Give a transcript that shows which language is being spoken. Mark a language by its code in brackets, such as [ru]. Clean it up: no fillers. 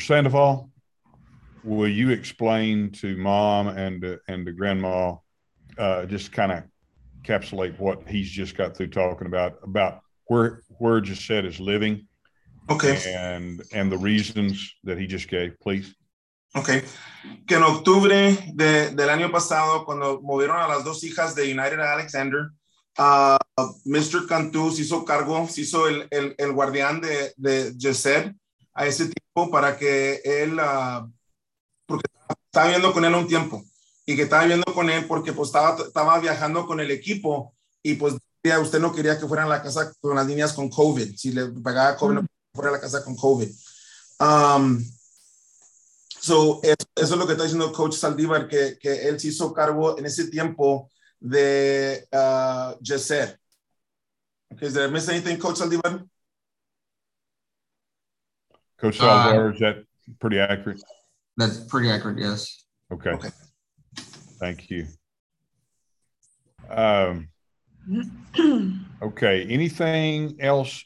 [en] Sandoval, will you explain to Mom and the grandma, just kind of encapsulate what he's just got through talking about where Gisette is living? Okay. And the reasons that he just gave, please. Okay. [es] Que en octubre del año pasado, cuando movieron a las dos hijas de United Alexander, Mr. Cantu se hizo cargo, se hizo el guardián de Gisette a ese tiempo para que él, porque estaba viviendo con él un tiempo, y que estaba viviendo con él porque pues estaba viajando con el equipo, y pues ya usted no quería que fuera a la casa con las niñas con COVID, si le pagaba COVID, no fuera a la casa con COVID. Eso es lo que está diciendo Coach Saldívar, que él se hizo cargo en ese tiempo de Yeser. [en] Okay, is there a miss anything, Coach Saldívar? Coach Saldívar, is that pretty accurate? That's pretty accurate, yes. Okay. Thank you. Okay, anything else?